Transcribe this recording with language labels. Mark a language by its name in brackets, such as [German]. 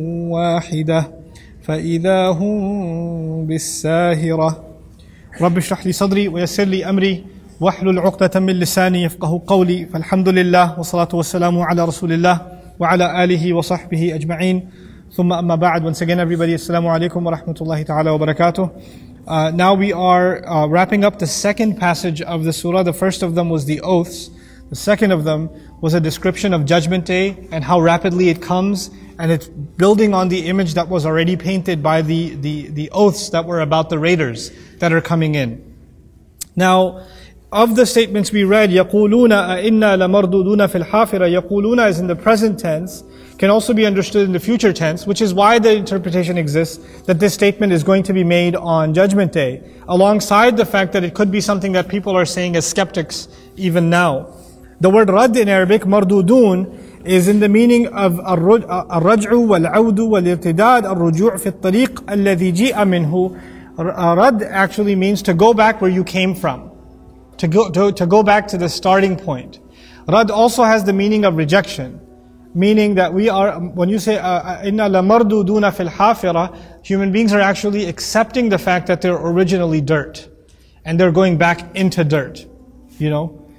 [Arabic] واحدة فإذا هم بالساهرة رب اشرح لي صدري ويسر لي أمري وَحْلُلْ عُقْدَةً مِنْ لِسَانِي يَفْقَهُ قَوْلِي فَالْحَمْدُ لِلَّهِ وَصَلَاتُ وَسَلَامُ عَلَى رَسُولِ اللَّهِ وَعَلَى آلِهِ وَصَحْبِهِ أَجْمَعِينَ ثُمَّ أَمَّا بَعْدُ. [English] Once again, everybody, assalamu alaikum wa rahmatullahi ta'ala wa barakatuh. Now we are wrapping up the second passage of the surah. The first of them was the oaths. The second of them was a description of Judgment Day and how rapidly it comes. And it's building on the image that was already painted by the oaths that were about the raiders that are coming in. Now, of the statements we read, [Arabic] يَقُولُونَ أَإِنَّا لَمَرْدُودُونَ فِي الْحَافِرَةِ يَقُولُونَ [English] is in the present tense, can also be understood in the future tense, which is why the interpretation exists that this statement is going to be made on Judgment Day, alongside the fact that it could be something that people are saying as skeptics even now. The word [Arabic] رَد [English] in Arabic, [Arabic] مَرْدُودُون, [English] is in the meaning of [Arabic] الرَّجْعُ وَالْعَوْدُ وَالْإِرْتِدَادُ الرُّجُوعُ فِي الطَّرِيقِ الَّذِي جِئَ مِنْهُ. [English] رَد actually means to go back where you came from. To go back to the starting point. Rad also has the meaning of rejection, meaning that we are, when you say [Arabic] inna lamarduduna fil hafira, [English] human beings are actually accepting the fact that they're originally dirt and they're going back into dirt, you know.